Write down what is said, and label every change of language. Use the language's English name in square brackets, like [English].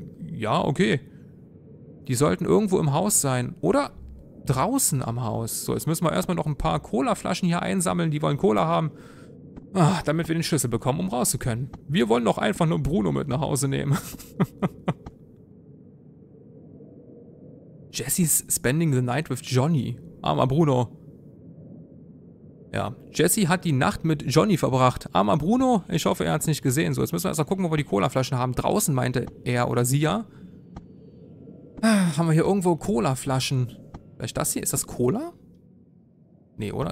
[German] Ja, okay. Die sollten irgendwo im Haus sein. Oder draußen am Haus. So, jetzt müssen wir erstmal noch ein paar Cola-Flaschen hier einsammeln. Die wollen Cola haben. Ach, damit wir den Schlüssel bekommen, um raus zu können. Wir wollen doch einfach nur Bruno mit nach Hause nehmen. [English] Jesse's spending the night with Johnny. [German] Armer Bruno. Ja, Jesse hat die Nacht mit Johnny verbracht. Armer Bruno, ich hoffe, er hat es nicht gesehen. So, jetzt müssen wir erst mal gucken, wo wir die Cola-Flaschen haben. Draußen meinte er oder sie ja. Haben wir hier irgendwo Cola-Flaschen? Vielleicht das hier? Ist das Cola? Nee, oder?